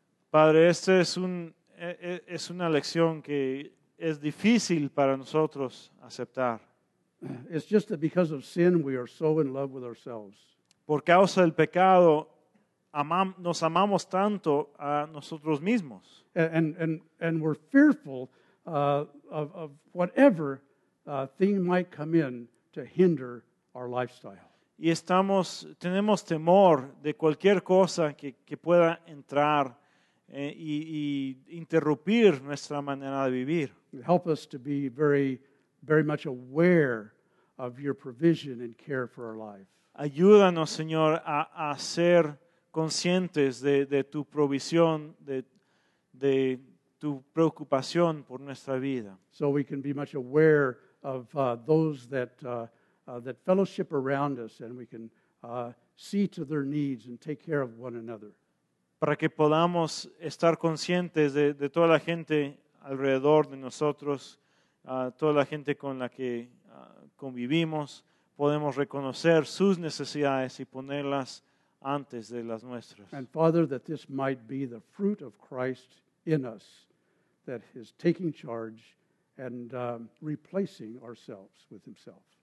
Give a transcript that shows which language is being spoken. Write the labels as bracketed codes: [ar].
[es] Padre, esta es una lección que es difícil para nosotros aceptar. [en] It's just that because of sin we are so in love with ourselves. [es] Por causa del pecado, nos amamos tanto a nosotros mismos. [en] And we're fearful of whatever thing might come in to hinder our lifestyle. [es] Y estamos, tenemos temor de cualquier cosa que pueda entrar y interrumpir nuestra manera de vivir. [en] Help us to be very, very much aware of your provision and care for our life. [es] Ayúdanos, Señor, a ser conscientes de tu provisión, de tu preocupación por nuestra vida. [en] So we can be much aware of those that that fellowship around us, and we can see to their needs and take care of one another. [es] Para que podamos estar conscientes de toda la gente alrededor de nosotros, toda la gente con la que convivimos, podemos reconocer sus necesidades y ponerlas antes de las nuestras. [en] And Father, that this might be the fruit of Christ in us, that is taking charge and replacing ourselves with Himself.